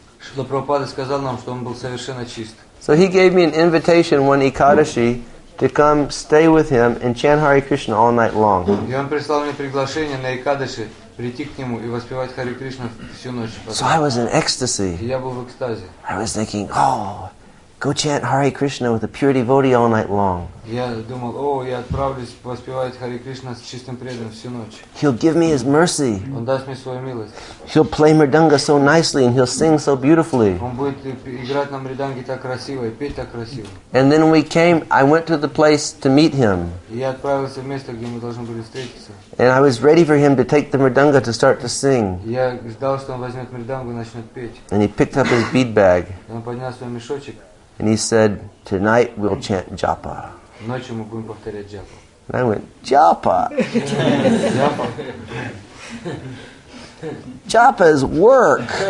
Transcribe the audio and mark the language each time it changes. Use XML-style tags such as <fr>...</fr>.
<ru>Шрила Прабхупада сказал нам, что он был совершенно чист.</ru> <en>So he gave me an invitation one Ekadashi to come stay with him and chant Hare Krishna all night long.</en> <ru>И он прислал мне приглашение на Ekadashi прийти к нему и воспевать Hare Krishna всю ночь.</ru> <en>So I was in ecstasy.</en> <ru>Я был в экстазе.</ru> <en>I was thinking, oh, go chant Hare Krishna with a pure devotee all night long.</en> <ru>Я думал, о, я отправлюсь воспевать Hare Krishna с чистым преданным всю ночь.</ru> <en>He'll give me his mercy.</en> <ru>Он даст мне свою милость.</ru> <en>He'll play mridanga so nicely and he'll sing so beautifully.</en> <ru>Он будет играть на мриданге так красиво и петь так красиво.</ru> <en>And then we came, I went to the place to meet him.</en> <ru>Я отправился в место, где мы должны были встретиться.</ru> <en>And I was ready for him to take the mridanga to start to sing.</en> <ru>Я ждал, что он возьмет мридангу и начнет петь.</ru> <en>And he picked up his bead bag.</en> <ru>Он поднял свой мешочек.</ru> <en>And he said, tonight we'll chant japa.</en> <ru>Ночью мы будем повторять джапу.</ru> <en>And I went, japa.</en> <ru>Japa.</ru> <en>Japa is work.</en>